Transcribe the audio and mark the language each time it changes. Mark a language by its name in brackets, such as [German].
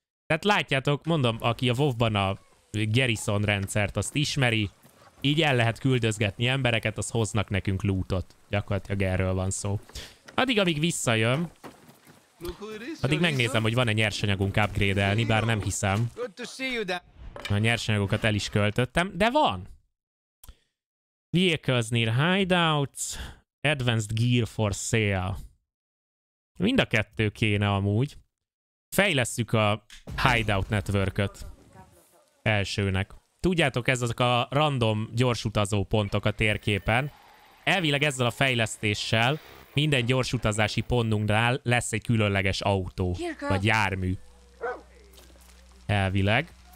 [Hungarian] Tehát látjátok, mondom, aki a WoW-ban a Garrison rendszert azt ismeri, így el lehet küldözgetni embereket, az hoznak nekünk lootot. Gyakorlatilag erről van szó. Addig, amíg visszajön, addig megnézem, hogy van-e nyersanyagunk upgrade-elni, bár nem hiszem. A nyersanyagokat el is költöttem, de van! [English] Vehicles near hideouts, advanced gear for sale. [Hungarian] Mind a kettő kéne amúgy. Fejlesszük a hideout network-öt. Elsőnek. Tudjátok, ez azok a random gyorsutazó pontok a térképen. Elvileg ezzel a fejlesztéssel minden gyorsutazási pontunknál lesz egy különleges autó, vagy jármű. Elvileg.